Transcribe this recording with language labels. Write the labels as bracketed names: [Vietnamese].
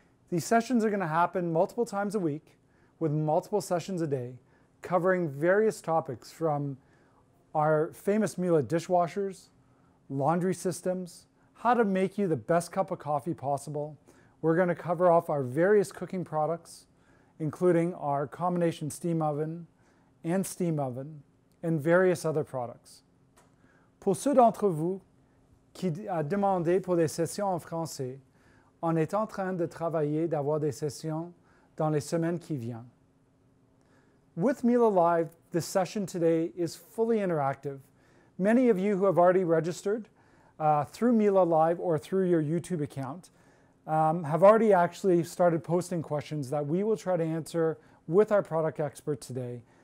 [English] These sessions are going to happen multiple times a week with multiple sessions a day, covering various topics from our famous Miele dishwashers, laundry systems, how to make you the best cup of coffee possible. We're going to cover off our various cooking products, including our combination steam oven and steam oven, and various other products. [French] Pour ceux d'entre vous qui a demandé pour des sessions en français, on est en train de travailler d'avoir des sessions dans les semaines qui viennent. [English] With Miele Live, the session today is fully interactive. Many of you who have already registered through Miele Live or through your YouTube account have already actually started posting questions that we will try to answer with our product expert today.